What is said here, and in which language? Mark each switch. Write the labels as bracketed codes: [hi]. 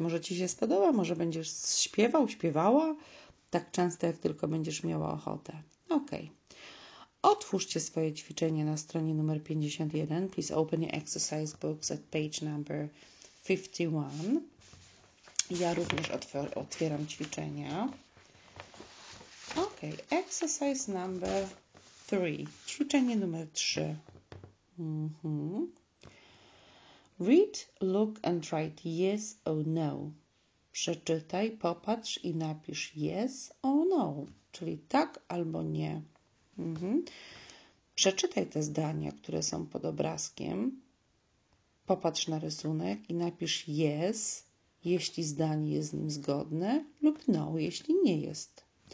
[pl] Może Ci się spodoba, może będziesz śpiewał, śpiewała tak często, jak tylko będziesz miała ochotę. Ok. Otwórzcie swoje ćwiczenie na stronie numer 51. [en] Please open your exercise books at page number 51. [pl] Ja również otwieram ćwiczenia. [en] Ok. Exercise number 3. [pl] Ćwiczenie numer 3. [en] Read, look and write yes or no. [pl] Przeczytaj, popatrz i napisz [en] yes or no, [pl] czyli tak albo nie. Przeczytaj te zdania, które są pod obrazkiem. Popatrz na rysunek i napisz yes, jeśli zdanie jest z nim zgodne, lub no, jeśli nie jest.